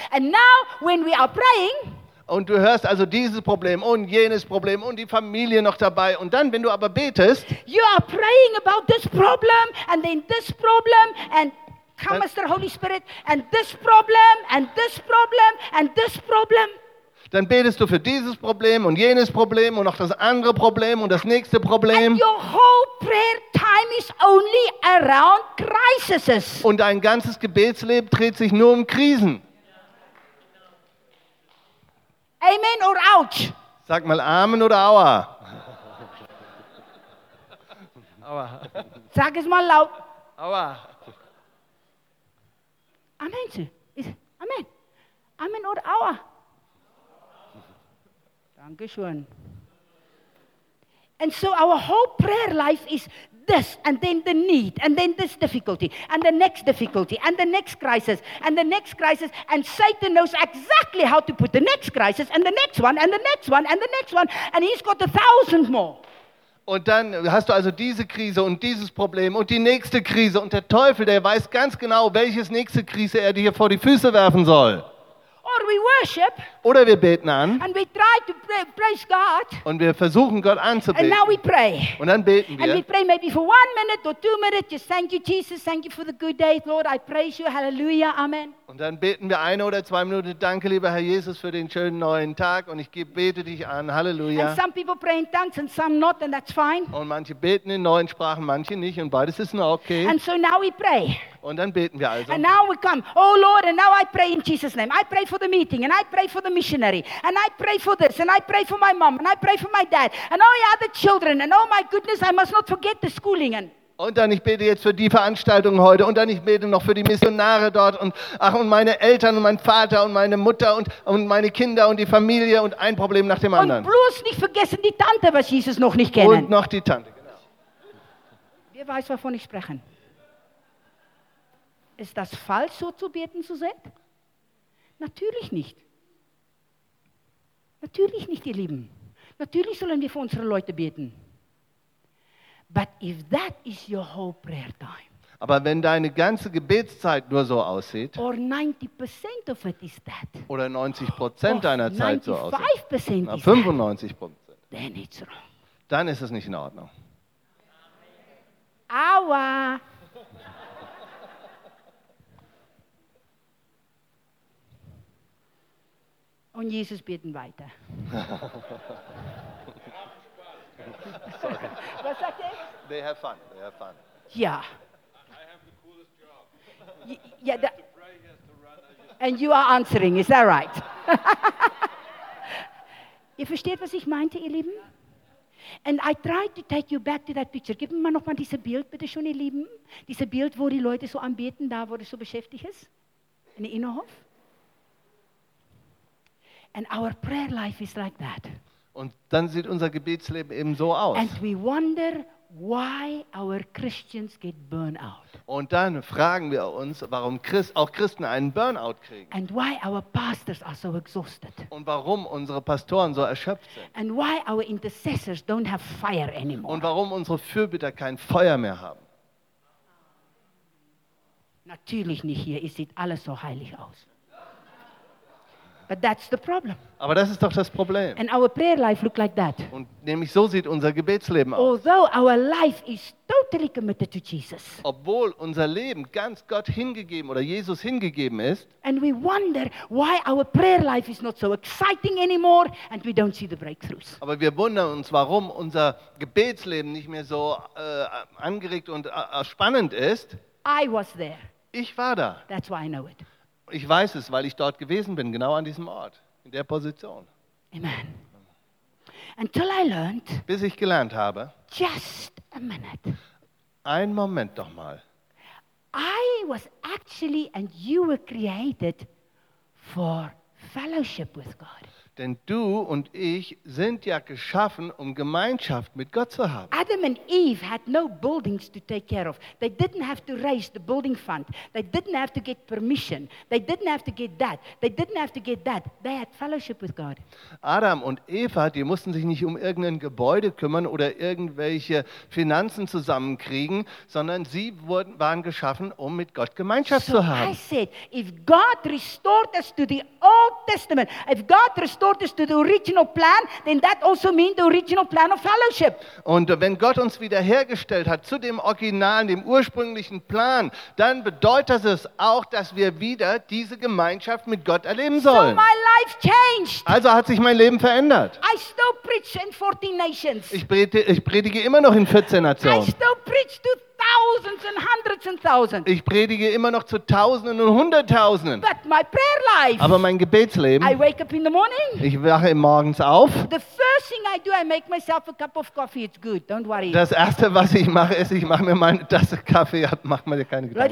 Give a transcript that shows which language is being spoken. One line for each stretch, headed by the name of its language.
English: And now when we are praying.
German: Und du hörst also dieses Problem und jenes Problem und die Familie noch dabei. Und dann, wenn du aber betest.
English: You are praying about this problem and then this problem and... Come, Mr. Holy Spirit, and this problem, and this problem, and this problem.
German: Dann betest du für dieses Problem und jenes Problem und noch das andere Problem und das nächste Problem.
English: And your whole prayer time is only around crises.
German: Und dein ganzes Gebetsleben dreht sich nur um Krisen.
English: Amen or ouch?
German: Sag mal Amen oder Aua. Aua. Sag es mal laut. Aua. Amen. Amen. Amen oder Aua. Dankeschön.
English: And so our whole prayer life is this, and then the need, and then this difficulty, and the next crisis, and the next crisis, and Satan knows exactly how to put the next crisis, and the next one, and the next one, and the next one, and he's got 1,000 more.
German: Und dann hast du also diese Krise und dieses Problem und die nächste Krise. Und der Teufel, der weiß ganz genau, welches nächste Krise er dir vor die Füße werfen soll.
English: Or we worship,
German: oder wir beten an.
English: And we try to praise God,
German: und wir versuchen, Gott anzubeten.
English: And now we pray.
German: Und dann beten wir.
English: And we pray maybe for 1 minute or 2 minutes. Just thank you, Jesus. Thank you for the good day, Lord. I praise you. Hallelujah. Amen.
German: Und dann beten wir 1 oder 2 Minuten. Danke, lieber Herr Jesus, für den schönen neuen Tag. Und ich bete dich an. Halleluja.
English: And some people pray in tongues and some not, and that's fine.
German: Und manche beten in neuen Sprachen, manche nicht. Und beides ist noch okay.
English: And so now we pray.
German: Und dann beten wir also.
English: And now we come. Oh Lord, and now I pray in Jesus' name. I pray for the meeting, and I pray for the missionary. And I pray for this, and I pray for my mom, and I pray for my dad. And all the other children, and oh my goodness, I must not forget the schooling.
German: Und dann, ich bete jetzt für die Veranstaltung heute. Und dann, ich bete noch für die Missionare dort. Und ach, und meine Eltern und mein Vater und meine Mutter und meine Kinder und die Familie und ein Problem nach dem anderen. Und bloß nicht vergessen die Tante, was Jesus noch nicht kennt. Und noch die Tante, genau. Wer weiß, wovon ich spreche? Ist das falsch, so zu beten, Suzette? Natürlich nicht. Natürlich nicht, ihr Lieben. Natürlich sollen wir für unsere Leute beten.
English: But if that is your whole prayer time.
German: Aber wenn deine ganze Gebetszeit nur so aussieht.
English: Or 90% of it is that.
German: Oder 90% deiner Zeit so aussieht.
English: 95% is 95%. Then it's wrong.
German: Dann ist es nicht in Ordnung. Aua. Und Jesus beten weiter.
English: Sorry.
German: Was sagt er?
English: They have fun. They have fun.
German: Ja.
English: I have the coolest job. Yeah, the, and you are answering, is that right?
German: Ihr versteht, was ich meinte, ihr Lieben?
English: And I tried to take you back to that picture.
German: Gib mir mal nochmal dieses Bild, bitte schon, ihr Lieben. Dieses Bild, wo die Leute so anbeten, da, wo es so beschäftigt ist. In den Innenhof.
English: And our prayer life is like that.
German: Und dann sieht unser Gebetsleben eben so aus.
English: And we wonder why our Christians get burnout.
German: Und dann fragen wir uns, warum auch Christen einen Burnout kriegen.
English: And why our pastors are so exhausted.
German: Und warum unsere Pastoren so erschöpft sind.
English: And why our intercessors don't have fire anymore.
German: Und warum unsere Fürbitter kein Feuer mehr haben. Natürlich nicht hier, es sieht alles so heilig aus.
English: But that's the problem.
German: Aber das ist doch das Problem.
English: And our prayer life look like that.
German: Und nämlich so sieht unser Gebetsleben aus.
English: Although our life is totally committed to Jesus.
German: Obwohl unser Leben ganz Gott hingegeben oder Jesus hingegeben ist.
English: And we wonder why our prayer life is not so exciting anymore and we don't see the breakthroughs.
German: Aber wir wundern uns, warum unser Gebetsleben nicht mehr so angeregt und spannend ist.
English: I was there.
German: Ich war da.
English: That's why I know it.
German: Ich weiß es, weil ich dort gewesen bin, genau an diesem Ort, in der Position.
English: Amen. Until I learned,
German: bis ich gelernt habe,
English: just a minute.
German: Ein Moment doch mal.
English: I was actually and you were created for fellowship with God.
German: Denn du und ich sind ja geschaffen, um Gemeinschaft mit Gott zu haben.
English: Adam and Eve had no buildings to take care of. They didn't have to raise the building fund. They didn't have to get permission. They didn't have to get that. They didn't have to get that. They had fellowship with God.
German: Adam und Eva, die mussten sich nicht um irgendein Gebäude kümmern oder irgendwelche Finanzen zusammenkriegen, sondern sie wurden, waren geschaffen, um mit Gott Gemeinschaft so zu haben.
English: I said, if God restored us to the Old Testament, if God restored us to the original plan, then that also means the original plan of fellowship.
German: Und wenn Gott uns wiederhergestellt hat zu dem originalen, dem ursprünglichen Plan, dann bedeutet es auch, dass wir wieder diese Gemeinschaft mit Gott erleben sollen.
English: So my life changed.
German: Also hat sich mein Leben verändert.
English: I still preach in 14 nations.
German: Ich predige immer noch in 14 Nationen.
English: I still preach to thousands and hundreds and thousands.
German: Ich predige immer noch zu Tausenden und Hunderttausenden.
English: But my prayer life,
German: aber mein Gebetsleben,
English: I wake up in the morning,
German: ich wache morgens auf.
English: The first thing I do, I make myself a cup of coffee. It's good, don't worry.
German: Das Erste, was ich mache, ist, ich mache mir mal eine Tasse Kaffee. Mach mir keine Gedanken.